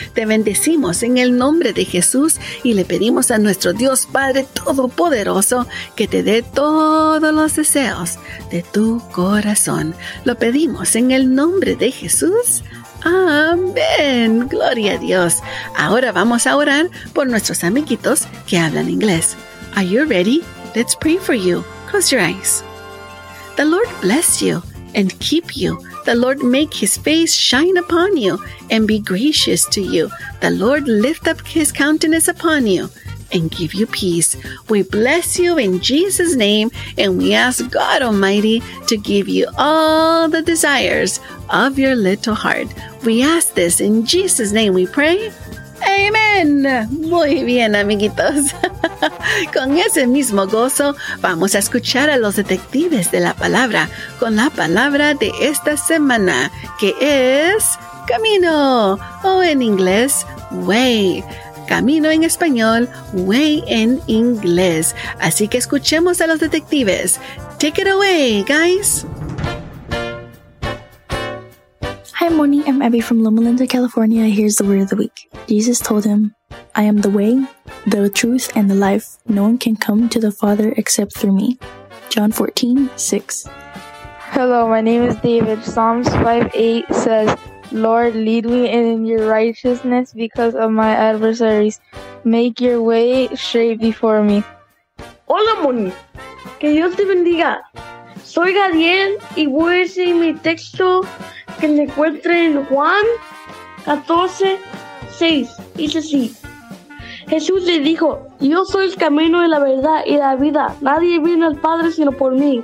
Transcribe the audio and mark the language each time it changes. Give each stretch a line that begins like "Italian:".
Spanish: Te bendecimos en el nombre de Jesús y le pedimos a nuestro Dios Padre Todopoderoso que te dé todos los deseos de tu corazón. Lo pedimos en el nombre de Jesús. ¡Amén! ¡Gloria a Dios! Ahora vamos a orar por nuestros amiguitos que hablan inglés.
English: Are you ready? Let's pray for you. Close your eyes. The Lord bless you and keep you. The Lord make His face shine upon you and be gracious to you. The Lord lift up His countenance upon you and give you peace. We bless you in Jesus' name, and we ask God Almighty to give you all the desires of your little heart. We ask this in Jesus' name we pray.
Spanish: Amen. Muy bien, amiguitos. Con ese mismo gozo, vamos a escuchar a los detectives de la palabra con la palabra de esta semana, que es camino, o en inglés, way. Camino en español, way en inglés. Así que escuchemos a los detectives.
English: Take it away, guys. Hi, Moni. I'm Abby from Loma Linda, California. Here's the word of the week. Jesus told him, I am the way, the truth, and the life. No one can come to the Father except through me. John 14:6. Hello, my name is David. Psalms 5:8 says, Lord, lead me in your righteousness because of my adversaries. Make your way straight before me.
Spanish: Hola, Moni. Que Dios te bendiga. Soy Gadiel y voy a decir mi texto que me encuentre en Juan 14:6. Dice así. Jesús le dijo, yo soy el camino de la verdad y la vida. Nadie viene al Padre sino por mí.